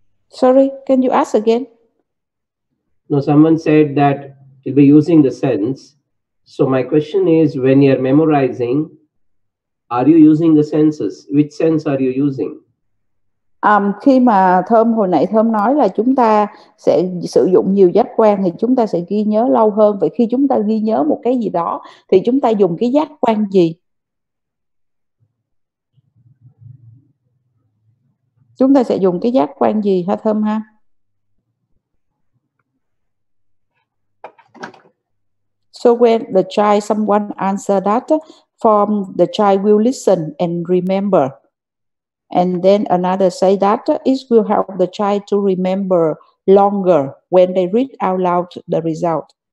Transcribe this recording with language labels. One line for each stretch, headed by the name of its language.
English: Sorry, can you ask again? No, someone said that you'll be using the sense. So my question is, when you're memorizing, are you using the senses? Which sense are you using?
Vietnamese: Khi mà Thơm hồi nãy Thơm nói là chúng ta sẽ sử dụng nhiều giác quan thì chúng ta sẽ ghi nhớ lâu hơn. Vậy khi chúng ta ghi nhớ một cái gì đó thì chúng ta dùng cái giác quan gì? Chúng ta sẽ dùng cái giác quan gì hả Thơm ha?
English: So when the child, someone answer that form, the child will listen and remember. And then another say that it will help the child to remember longer when they read out loud the result.